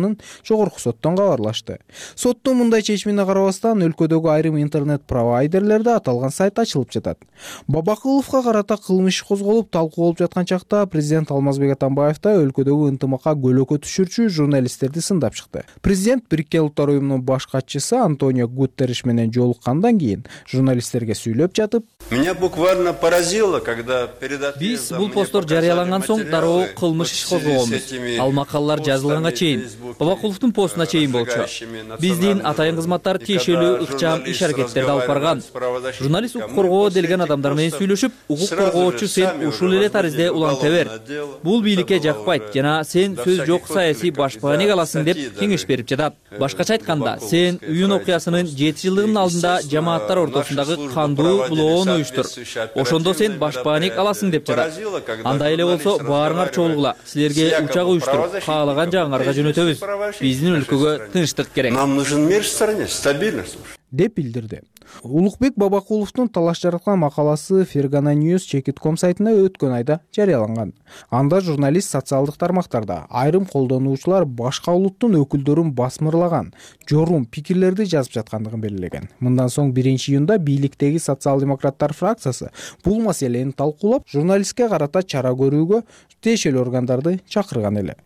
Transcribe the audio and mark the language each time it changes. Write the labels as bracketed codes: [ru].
[ky] жазганын жогорку соттон кабарлашты. Сотто мындай чечимине карабастан өлкөдөгү айрым интернет провайдерлерде аталган сайт ачылып жатат. Бабакыловго карата кылмыш козголуп талкуу болуп жаткан чакта президент Алмазбек Атамбаев да өлкөдөгү ынтымакка көлөкө түшүрчү журналисттерди сындап чыкты. Президент Бириккен Улуттар Уюмунун баш катчысы Антонио Гутерриш менен жолуккандан кийин журналисттерге сүйлөп жатып: [ru] "Меня буквально поразило, когда перед ответом [ky] биз бул постор жарыяланган соң дароо кылмыш иш козголгонбуз. Ал макалалар жазылганга чейин, Бабакуловдун постуна чейин болчу. Биздин атайын кызматтар тиешелүү ыкчам иш аракеттерди алып барган. Журналист укук коргоо делген адамдар менен сүйлөшүп, укук коргоочу сен ушул эле тарзде улантабер. Бул бийликке жакпайт жана сен сөз жок саясий башпаанек каласың" деп кеңеш берип жатат. Башкача айтканда, сен уюн окуясынын 7 жылдыгынын алдында жамааттар ортосундагы кандуу блоон уюштур. Ошондо сен башпаанек каласың деп жатат. Андай эле болсо, баарыңар чогулгула. Силерге учак уюштуруп, каалаган жагыңарга жөнөтөбүз. Биздин өлкөгө тынчтык керек. [ru] Нам нужен мир в стране, стабильность. [ky] Деп билдирди. Улукбек Бабакуловдун талаш жараткан макаласы Fergana News Checkit.com сайтына өткөн айда жарыяланган. Анда журналист социалдык тармактарда айрым колдонуучулар башка улуттун өкүлдөрүн басмырлаган жорум пикирлерди жазып жаткандыгын белгилеген. Мындан соң 1-июнда бийликтеги социал-демократтар фракциясы бул маселени талкуулап, журналистке карата чара көрүүгө тиешелүү органдарды чакырган эле.